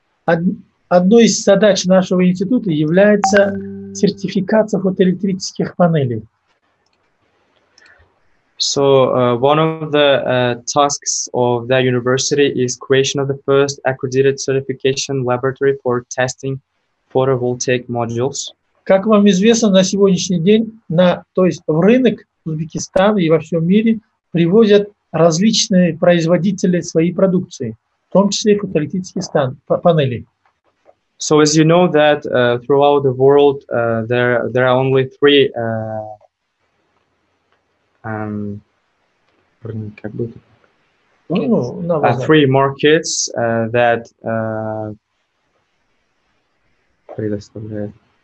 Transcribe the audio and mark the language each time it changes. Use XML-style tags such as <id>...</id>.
<ru>Одной из задач нашего института является сертификация фотоэлектрических панелей.</ru> <en>So one of the tasks of that university is creation of the first accredited certification laboratory for testing photovoltaic modules.</en> <ru>Как вам известно, на сегодняшний день, то есть в рынок Узбекистана и во всем мире привозят различные производители своей продукции, в том числе фотоэлектрические панели.</ru> <en>So as you know that throughout the world there are only three three markets that</en> <ru>предоставляют.</ru>